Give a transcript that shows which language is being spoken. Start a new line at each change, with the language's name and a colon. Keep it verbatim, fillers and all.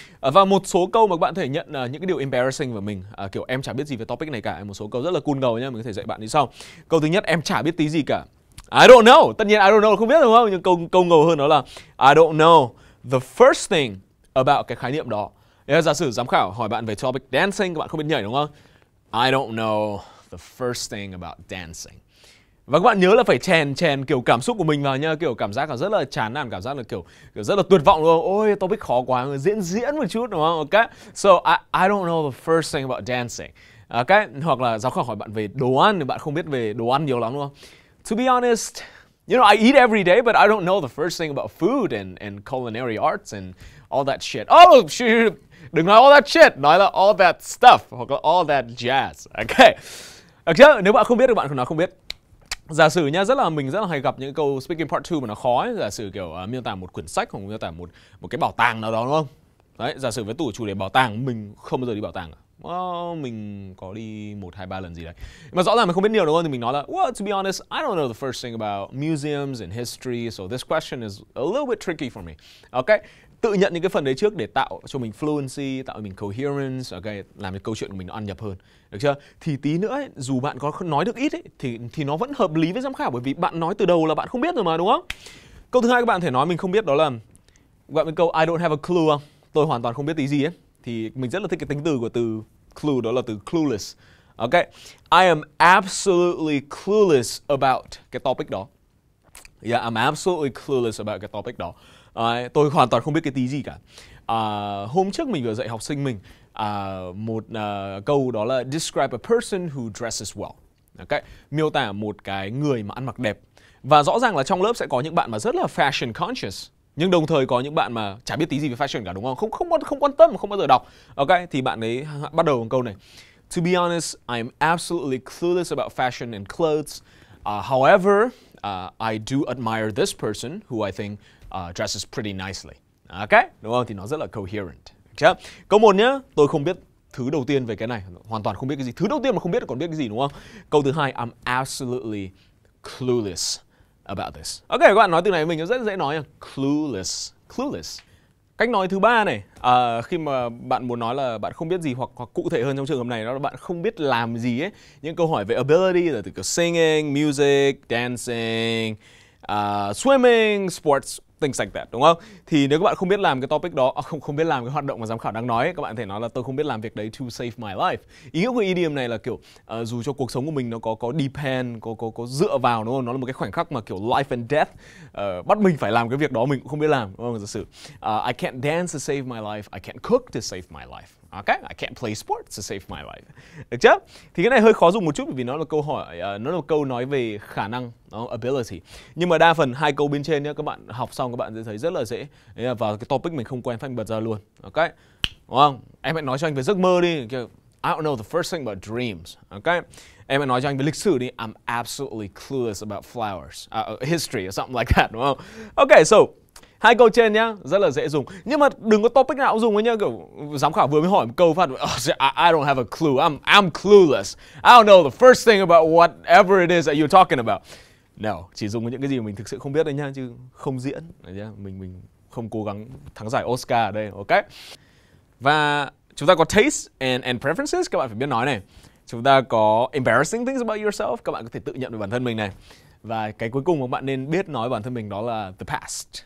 Vietnamese: Và một số câu mà các bạn có thể nhận uh, những cái điều embarrassing của mình, uh, kiểu em chả biết gì về topic này cả. Một số câu rất là cool ngầu nhá, mình có thể dạy bạn như sau. Câu thứ nhất, em chả biết tí gì cả.
English: I don't know.
Vietnamese: Tất nhiên I don't know không biết, đúng không? Nhưng câu câu ngầu hơn đó là
English: I don't know the first thing about
Vietnamese: cái khái niệm đó. Nếu giả sử giám khảo hỏi bạn về topic dancing, các bạn không biết nhảy, đúng không?
English: I don't know the first thing about dancing.
Vietnamese: Và các bạn nhớ là phải chèn chèn kiểu cảm xúc của mình vào nha, kiểu cảm giác là rất là chán nản, cảm giác là kiểu kiểu rất là tuyệt vọng, đúng không? Ôi topic khó quá, diễn diễn một chút, đúng không? Ok.
English: So I I don't know the first thing about dancing.
Vietnamese: Ok, hoặc là giám khảo hỏi bạn về đồ ăn thì bạn không biết về đồ ăn nhiều lắm, đúng không?
English: To be honest, you know, I eat every day, but I don't know the first thing about food and, and culinary arts and all that shit. Oh, shoot,
Vietnamese: đừng nói
English: all that shit,
Vietnamese: nói là
English: all that stuff,
Vietnamese: hoặc là
English: all that jazz. Okay.
Vietnamese: Được chưa? Nếu bạn không biết thì bạn cũng nói không biết. Giả sử nha, rất là mình rất là hay gặp những câu speaking part hai mà nó khó ấy. Giả sử kiểu uh, miêu tả một quyển sách hoặc miêu tả một, một cái bảo tàng nào đó, đúng không? Đấy, giả sử với tủ chủ đề bảo tàng, mình không bao giờ đi bảo tàng cả. Well, mình có đi một hai ba lần gì đấy. Mà rõ ràng mình không biết nhiều, đúng không? Thì mình nói là
English: well, to be honest, I don't know the first thing about museums and history, so this question is a little bit tricky for me.
Vietnamese: Ok, tự nhận những cái phần đấy trước để tạo cho mình fluency, tạo cho mình coherence, ok, làm cho câu chuyện của mình nó ăn nhập hơn. Được chưa? Thì tí nữa ấy, dù bạn có nói được ít ấy, thì thì nó vẫn hợp lý với giám khảo, bởi vì bạn nói từ đầu là bạn không biết rồi mà, đúng không? Câu thứ hai các bạn có thể nói mình không biết đó là gọi với câu
English: I don't have a clue
Vietnamese: không? Tôi hoàn toàn không biết tí gì ấy. Thì mình rất là thích cái tính từ của từ clue, đó là từ clueless.
English: Ok, I am absolutely clueless about
Vietnamese: cái topic đó.
English: Yeah, I'm absolutely clueless about
Vietnamese: cái topic đó. Uh, tôi hoàn toàn không biết cái tí gì cả. Uh, hôm trước mình vừa dạy học sinh mình uh, một uh, câu đó là
English: describe a person who dresses well.
Vietnamese: Ok, miêu tả một cái người mà ăn mặc đẹp. Và rõ ràng là trong lớp sẽ có những bạn mà rất là fashion conscious, nhưng đồng thời có những bạn mà chả biết tí gì về fashion cả, đúng không? Không không không quan tâm, không bao giờ đọc. Ok, thì bạn ấy bắt đầu bằng câu này.
English: To be honest, I'm absolutely clueless about fashion and clothes. Uh, however, uh, I do admire this person who I think uh, dresses pretty nicely.
Vietnamese: Ok, đúng không? Thì nó rất là coherent. Chưa? Câu một nhá, tôi không biết thứ đầu tiên về cái này, hoàn toàn không biết cái gì. Thứ đầu tiên mà không biết còn biết cái gì, đúng không? Câu thứ hai,
English: I'm absolutely clueless about this.
Vietnamese: Ok, các bạn nói từ này mình rất dễ nói, clueless, clueless. Cách nói thứ ba này, à, khi mà bạn muốn nói là bạn không biết gì, hoặc, hoặc cụ thể hơn trong trường hợp này đó là bạn không biết làm gì ấy. Những câu hỏi về ability là từ kiểu singing, music, dancing, uh, swimming, sports,
English: things like that,
Vietnamese: đúng không? Thì nếu các bạn không biết làm cái topic đó, à, không không biết làm cái hoạt động mà giám khảo đang nói ấy, các bạn có thể nói là tôi không biết làm việc đấy
English: to save my life.
Vietnamese: Ý nghĩa của idiom này là kiểu uh, dù cho cuộc sống của mình nó có có depend, có có có dựa vào, đúng không? Nó là một cái khoảnh khắc mà kiểu
English: life and death
Vietnamese: uh, bắt mình phải làm cái việc đó, mình cũng không biết làm, đúng không? Giả sử uh,
English: I can't dance to save my life,
Vietnamese: I can't cook to save my life. Ok,
English: I can't play sports to save my life.
Vietnamese: Được chưa? Thì cái này hơi khó dùng một chút bởi vì nó là câu hỏi, uh, nó là câu nói về khả năng, uh, ability. Nhưng mà đa phần hai câu bên trên nhá, các bạn học xong các bạn sẽ thấy rất là dễ. Đấy, và cái topic mình không quen phanh bật ra luôn. Ok, đúng không? Em hãy nói cho anh về giấc mơ đi.
English: I don't know the first thing about dreams.
Vietnamese: Ok, em hãy nói cho anh về lịch sử đi.
English: I'm absolutely clueless about flowers, uh, history or something like that,
Vietnamese: đúng không?
English: Ok, so
Vietnamese: Hai câu trên nhá, rất là dễ dùng. Nhưng mà đừng có topic nào cũng dùng ấy nhá. Kiểu giám khảo vừa mới hỏi một câu phát,
English: oh, I don't have a clue, I'm, I'm clueless. I don't know the first thing about whatever it is that you're talking about.
Vietnamese: No, chỉ dùng những cái gì mà mình thực sự không biết đấy nhá, chứ không diễn. Mình mình không cố gắng thắng giải Oscar ở đây, ok? Và chúng ta có taste and, and preferences, các bạn phải biết nói này. Chúng ta có embarrassing things about yourself, các bạn có thể tự nhận về bản thân mình này. Và cái cuối cùng mà bạn nên biết nói bản thân mình đó là the past.